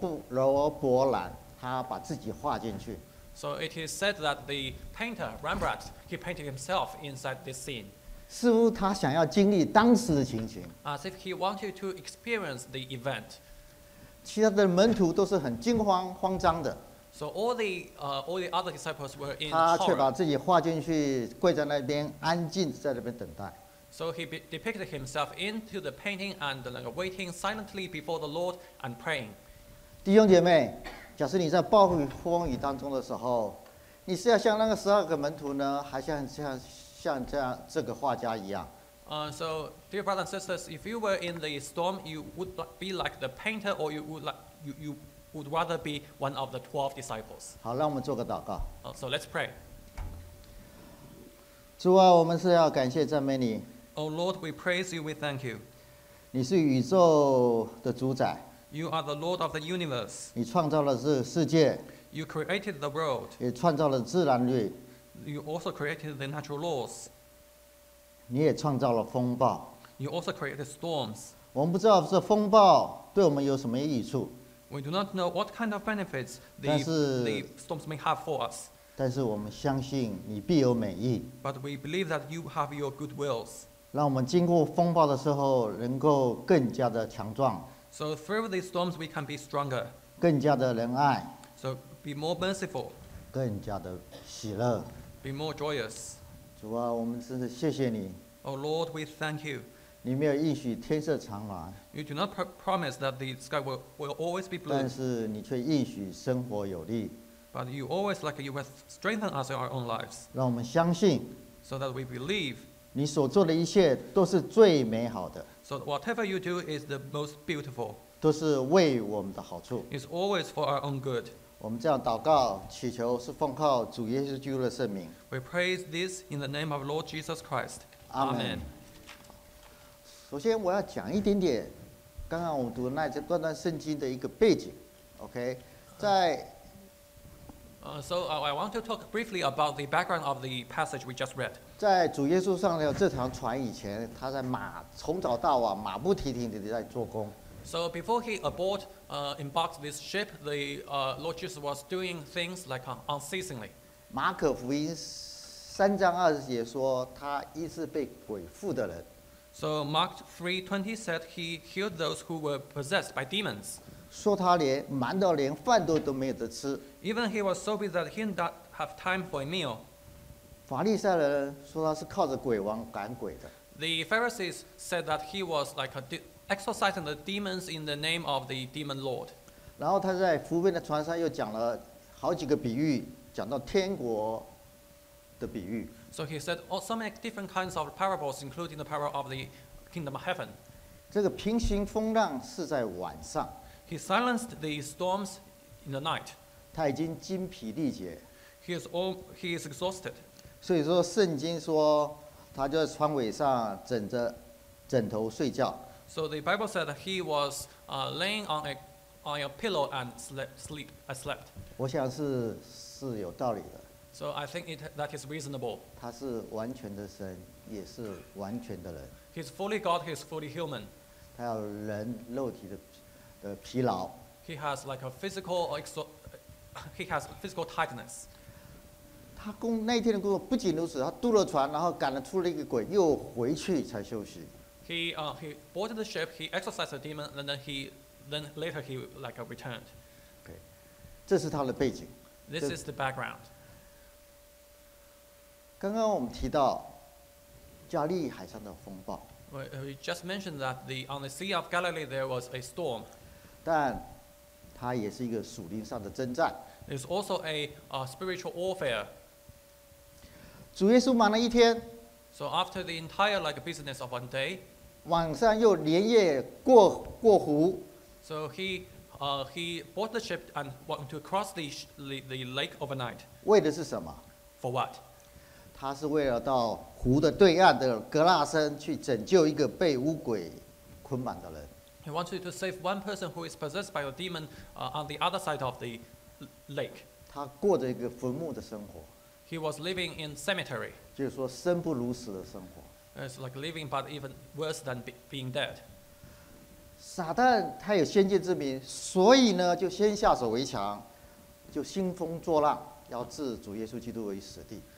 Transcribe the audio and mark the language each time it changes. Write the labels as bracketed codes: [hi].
[zh] 罗伯兰，他把自己画进去。 [en] So it is said that the painter Rembrandt he painted himself inside this scene. [zh] 似乎他想要经历当时的情形。 [en] As if he wanted to experience the event. [zh] 其他的门徒都是很惊慌慌张的。 [en] So all the other disciples were in horror. [zh] 他却把自己画进去，跪在那边，安静在那边等待。 [en] So he depicted himself into the painting and waiting silently before the Lord and praying. [zh] 弟兄姐妹，假设你在暴风雨当中的时候，你是要像那个十二个门徒呢，还是像这个画家一样。 [en] So dear brothers and sisters, if you were in the storm, you would be like the painter, or you would rather be one of the 12 disciples. [zh] 好，让我们做个祷告。 [en] So let's pray. [zh] 主啊，我们是要感谢赞美你。 [en] Oh Lord, we praise you, we thank you. [zh] 你是宇宙的主宰。 [en] You are the Lord of the universe. [zh] 你创造了这世界。 [en] You created the world. [zh] 也创造了自然律。 [en] You also created the natural laws. [zh] 你也创造了风暴。 [en] You also created storms. [zh] 我们不知道这风暴对我们有什么益处。 [en] We do not know what kind of benefits the storms may have for us. [zh] 但是我们相信你必有美意。 [en] But we believe that you have your good wills. [zh] 让我们经过风暴的时候能够更加的强壮。 [en] So through these storms we can be stronger. [zh] 更加的仁爱。 [en] So be more merciful. [zh] 更加的喜乐。 [en] Be more joyous. [zh] 主啊，我们真是谢谢你。 [en] Oh Lord, we thank you. [zh] 你没有应许天色常蓝。 [en] You do not promise that the sky will always be blue. [zh] 但是你却应许生活有力。 [en] But you always like you have strengthened us in our own lives. [zh] 让我们相信。 [en] So that we believe. [zh] 你所做的一切都是最美好的。 [en] So whatever you do is the most beautiful. [zh] 都是为我们的好处。 [en] It's always for our own good. [zh] 我们这样祷告祈求是奉靠主耶稣基督的圣名。 [en] We praise this in the name of Lord Jesus Christ. Amen. [zh] 首先我要讲一点点刚刚我读的那这段圣经的一个背景。 OK， 在。 [en] So I want to talk briefly about the background of the passage we just read. [zh] 在主耶稣上了这条船以前，他在马从早到晚马不停蹄地在做工。 [en] So before he embarked this ship, the Lord Jesus was doing things like unceasingly. [zh] 马可福音三章二十节说他医治被鬼附的人。 [en] So Mark 3:20 said he healed those who were possessed by demons. [zh] 说他连忙到连饭都没有得吃。 [en] Even he was so busy that he did not have time for a meal. [zh] 法利赛人说他是靠着鬼王赶鬼的。 [en] The Pharisees said that he was like a exorcising the demons in the name of the demon lord. [zh] 然后他在福音的船上又讲了好几个比喻，讲到天国的比喻。 [en] So he said so many different kinds of parables, including the parable of the kingdom of heaven. [zh] 这个平行风浪是在晚上。 [en] He silenced the storms in the night. [zh] 他已经筋疲力竭。 [en] He is exhausted. [zh] 所以说圣经说他就在船尾上枕着枕头睡觉。 [en] So the Bible said that he was laying on a pillow and slept. [zh] 我想是有道理的。 [en] So I think that is reasonable. [zh] 他是完全的神，也是完全的人。 [en] He's fully God, he's fully human. [zh] 他有人肉体的疲劳。 [en] He has like a physical tiredness. [zh] 他工那天的工作不仅如此，他渡了船，然后赶了出了一个鬼，又回去才休息。 [en] He boarded the ship, he exorcised the demon, and then later he like returned. [zh] Okay. 这是他的背景。 [en] This is the background. [zh] 刚刚我们提到加利海上的风暴。 [en] We just mentioned that on the Sea of Galilee there was a storm. [zh] 但它也是一个属灵上的征战。 [en] It's also a spiritual warfare. [zh] 主耶稣满了一天。 [en] So after the entire like business of one day, [zh] 晚上又连夜过湖。 [en] So he bought the ship and went to cross the lake overnight. [zh] 为的是什么？ [en] For what? [zh] 他是为了到湖的对岸的格拉森去拯救一个被巫鬼捆绑的人。 [en] He wanted to save one person who is possessed by a demon on the other side of the lake. [zh] 他过着一个坟墓的生活。 [en] He was living in cemetery. [zh] 就是说生不如死的生活。 [en] It's like living, but even worse than being dead. [zh] 撒旦他有先见之明，所以呢就先下手为强，就兴风作浪，要置主耶稣基督为死地。